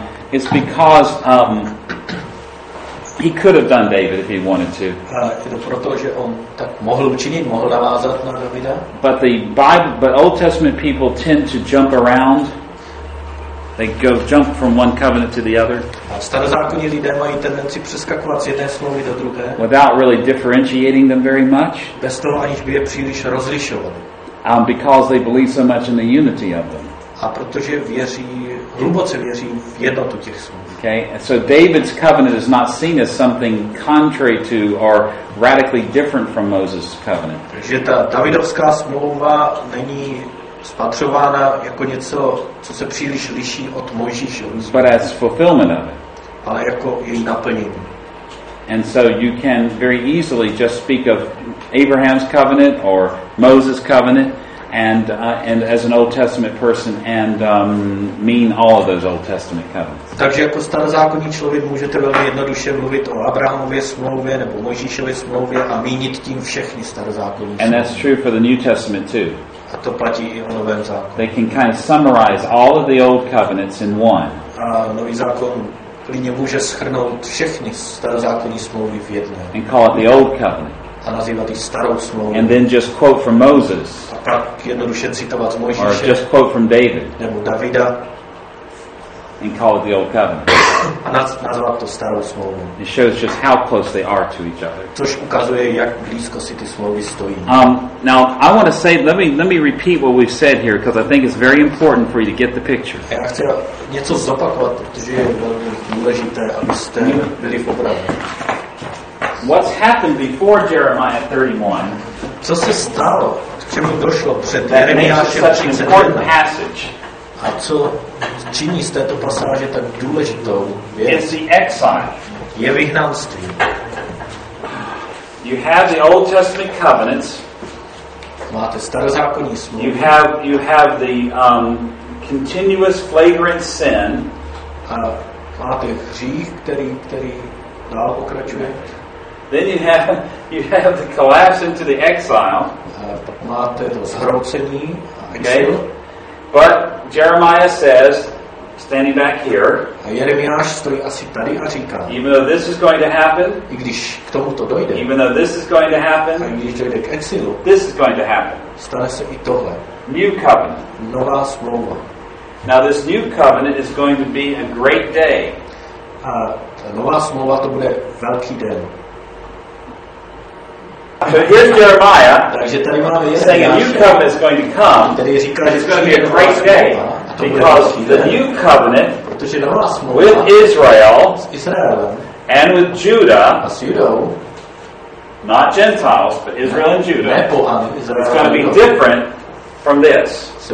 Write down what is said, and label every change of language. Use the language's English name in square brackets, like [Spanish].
[English] It's because he could have done David if he wanted to. [Czech] Protože on tak mohl učinit, mohl navázat na Davida. [English] But the Bible, but Old Testament people tend to jump around. They go jump from one covenant to the other. [Czech] Starozákonní lidé mají tendenci přeskakovat z jedné smlouvy do druhé. [English] Without really differentiating them very much. [Czech] Bez toho, aniž by je příliš rozlišovali. [English] Because they believe so much in the unity of them. [Czech] A protože věří, hluboce věří v jednotu těch smluv. [English] Okay, so David's covenant is not seen as something contrary to or radically different from Moses' covenant. [Czech] Že ta Davidovská smlouva není spatřována jako něco, co se příliš liší od Mojžíšovy. [English] But as fulfillment of it. [Czech] Ale jako její naplnění. [English] And so you can very easily just speak of Abraham's covenant or Moses' covenant. And as an Old Testament person, and mean all of those Old Testament covenants. [Czech] Takže jako starozákonní člověk můžete velmi jednoduše mluvit o Abrahamově smlouvě nebo Mojžíšově smlouvě a mínit tím všechny starozákonní smlouvy. [English] And that's true for the New Testament too. [Czech] A to platí i o Novém zákoně. [English] They can kind of summarize all of the old covenants in one. [Czech] A Nový zákon klidně může shrnout všechny starozákonní smlouvy v jedné. [English] And call it the Old Covenant. [Czech] A nazývat ji starou smlouvu. [English] And then just quote from Moses. [Czech] Tak jednoduše citovat z Mojžíše. [English] Or just quote from David. [Czech] Nebo Davida. [English] And call it the old covenant. [Czech] A nazvat to starou smlouvu. [English] It shows just how close they are to each other. [Czech] Což ukazuje, jak blízko si ty smlouvy stojí. [English] Now I want to say, let me repeat what we've said here, because I think it's very important for you to get the picture. [Czech] Já chci něco zopakovat, protože je velmi důležité, abyste byli v obraze. [English] What's happened before Jeremiah 31? [Czech] Co se stalo? K čemu došlo před Jeremiášem 31? A co činí z této pasáže tak důležitou věc? [English] The exile. [Czech] Je vyhnanství. [English] You have the Old Testament covenants. [Czech] Máte starozákonní smlouvu. [English] You have the continuous flagrant sin. [Czech] A máte hřích, který dál pokračuje. [English] Then you have the collapse into the exile. [Czech] Máte to zhroucení. [English] Okay. But Jeremiah says, standing back here. [Czech] A Jeremiáš stojí asi tady a říká. [English] Even though this is going to happen. I když k tomuto dojde. Even though this is going to happen. [Czech] A když dojde k exilu. [English] This is going to happen. [Czech] Stane se i tohle. [English] New covenant. [Czech] Nová smlouva. [English] Now this new covenant is going to be a great day. [Czech] A ta nová smlouva to bude velký den. [English] So here's Jeremiah. [Czech] Takže tady máme Jeremiáš. [English] Saying a new covenant is going to come. [Czech] Tady říká, [English] it's going to be a great day. Because the new covenant with Israel and with Judah, not Gentiles, but Israel and Judah, it's going to be different from this.